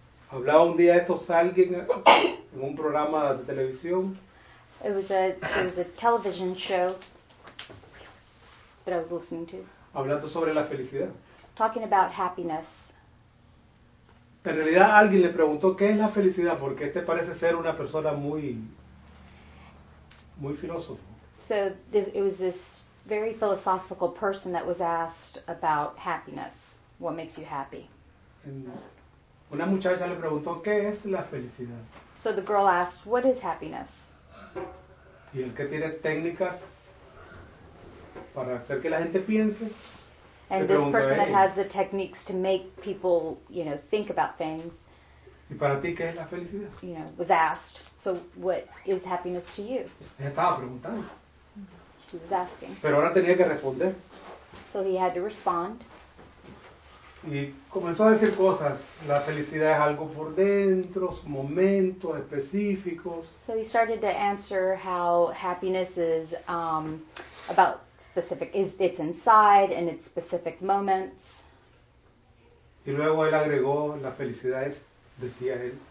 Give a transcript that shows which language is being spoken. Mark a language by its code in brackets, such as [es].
[es] Hablaba un día esto a alguien en un programa de televisión. [en] It was a television show that I was listening to. [es] Hablando sobre la felicidad. [en] Talking about happiness. [es] En realidad alguien le preguntó qué es la felicidad, porque este parece ser una persona muy muy filósofo. [en] So it was this very philosophical person that was asked about happiness. What makes you happy? [es] Una muchacha le preguntó qué es la felicidad. [en] So the girl asked, what is happiness? [es] Y el que tiene técnicas para hacer que la gente piense. [en] And this person that has the techniques to make people, you know, think about things. [es] ¿Y para ti qué es la felicidad? [en] You know, was asked. So what is happiness to you? [es] Ella estaba preguntando. [en] She was asking. [es] Pero ahora tenía que responder. [en] So he had to respond. [es] Y comenzó a decir cosas. La felicidad es algo por dentro, momentos específicos. [en] So he started to answer how happiness is about specific, it's inside and it's specific moments. [es] Y luego él agregó, la felicidad es, decía él,